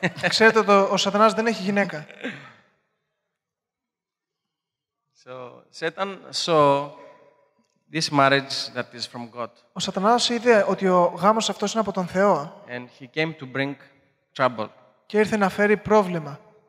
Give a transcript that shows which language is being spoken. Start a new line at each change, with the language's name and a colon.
Greek: Ξέρετε το, ο Σατανάς δεν έχει γυναίκα.
English: So Satan saw this marriage that is from God.
Greek: Ο Σατανάς είδε ότι ο γάμος αυτός είναι από τον Θεό.
English: And he came to bring trouble.
Greek: Και ήρθε να φέρει πρόβλημα.